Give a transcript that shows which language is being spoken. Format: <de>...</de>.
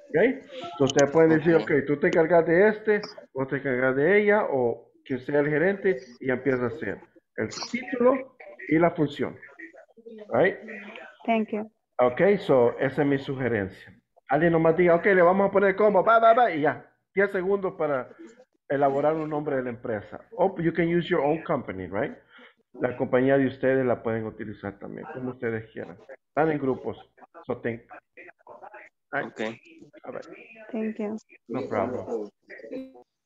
<es>Okay, entonces ustedes pueden decir, okay, tú te encargas de este, vos te encargas de ella o quien sea el gerente y empieza a hacer el título y la función.</es> <en>Right? Thank you.</en> <es>Ok, so, esa es mi sugerencia. Alguien nomás diga, ok, le vamos a poner como, va, va, va, y ya. 10 segundos para elaborar un nombre de la empresa.</es> <en>Oh, you can use your own company, right?</en> <es>La compañía de ustedes la pueden utilizar también, como ustedes quieran. Están en grupos.</es> <en>So, think. Right. Ok. All right. Thank you. No problem.</en>